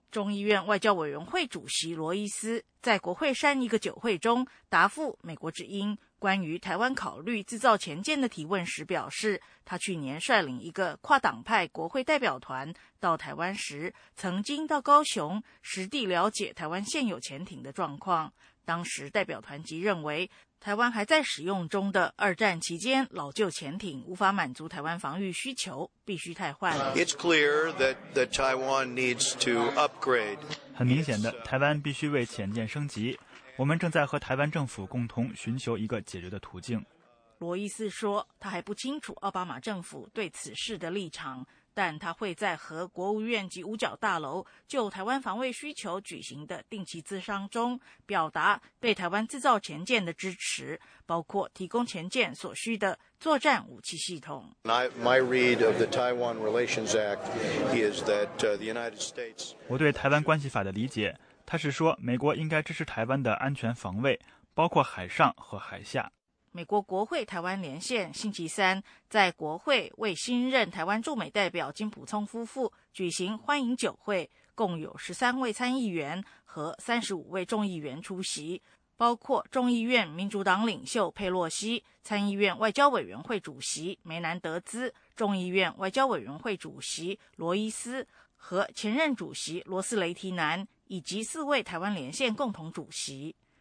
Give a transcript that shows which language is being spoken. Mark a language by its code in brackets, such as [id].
[zh] 众议院外交委员会主席罗伊斯在国会山一个酒会中答复美国之音关于台湾考虑自造潜舰的提问时表示，他去年率领一个跨党派国会代表团到台湾时，曾经到高雄实地了解台湾现有潜艇的状况。当时代表团即认为，台湾还在使用中的二战期间老旧潜艇无法满足台湾防御需求，必须汰换。 [en] It's clear that Taiwan needs to upgrade. [zh] 很明显的，台湾必须为潜舰升级。我们正在和台湾政府共同寻求一个解决的途径。罗伊斯说，他还不清楚奥巴马政府对此事的立场，但他会在和国务院及五角大楼就台湾防卫需求举行的定期咨商中表达对台湾自造潜舰的支持，包括提供潜舰所需的作战武器系统。 [en] My read of the Taiwan Relations Act is that the United States [zh] 我对台湾关系法的理解，他是说美国应该支持台湾的安全防卫，包括海上和海下。美国国会台湾连线星期三在国会为新任台湾驻美代表金普聪夫妇举行欢迎酒会，共有13位参议员和35位众议员出席，包括众议院民主党领袖佩洛西、参议院外交委员会主席梅南德兹、众议院外交委员会主席罗伊斯和前任主席罗斯雷提南，以及四位台湾连线共同主席。